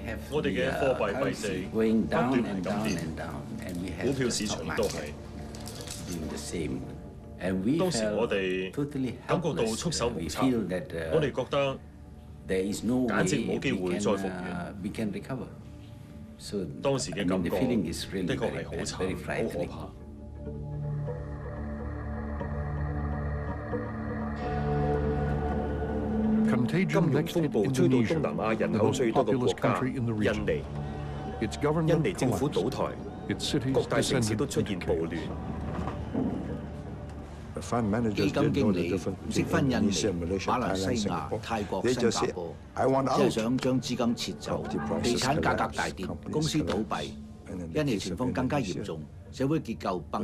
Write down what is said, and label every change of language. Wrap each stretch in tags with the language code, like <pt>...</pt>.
<yue>我哋嘅貨幣幣值不斷係咁跌，股票市場都係。當時我哋感覺到束手無策，我哋覺得。</yue> <en>There is no way we can recover. So, I mean, the feeling is really very frightening. Contagion next hit Indonesia, the most populous country in the region. Its government collapsed. Its cities descended into chaos. Fund managers did know the difference between Indonesia, Malaysia, Thailand, Singapore. They just said, I want out.</en> <yue>即係想將資金撤走，地產價格大跌，公司倒閉，印尼情況更加嚴重，社會結構崩</yue>